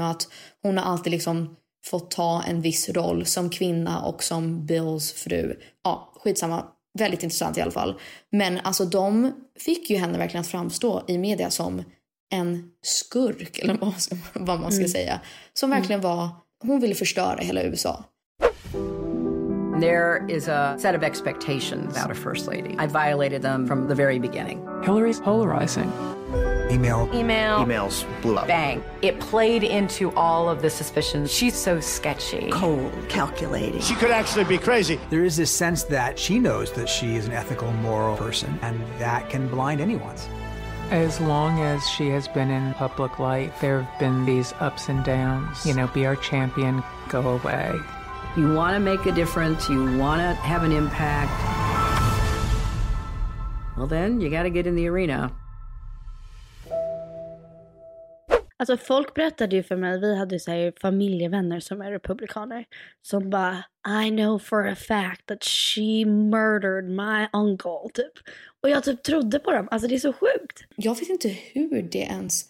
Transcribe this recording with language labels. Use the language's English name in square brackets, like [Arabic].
[Swedish] Och att hon har alltid liksom fått ta en viss roll som kvinna och som Bills fru. Ja, skitsamma. Väldigt intressant i alla fall. Men alltså de fick ju henne verkligen att framstå i media som en skurk, eller vad man ska säga, som verkligen var, hon ville förstöra hela USA. [English] There is a set of expectations about a first lady. I violated them from the very beginning. Hillary's polarizing. Emails blew up. Bang. It played into all of the suspicions. She's so sketchy. Cold, calculating. She could actually be crazy. There is this sense that she knows that she is an ethical, moral person, and that can blind anyone. As long as she has been in public life, there have been these ups and downs. You know, be our champion, go away. You want to make a difference, you want to have an impact. Well then, you got to get in the arena. [Swedish] Alltså folk berättade ju för mig, vi hade ju så här familjevänner som är republikaner som bara, [English] I know for a fact that she murdered my uncle, [Swedish] typ. Och jag typ trodde på dem, alltså det är så sjukt. Jag vet inte hur det ens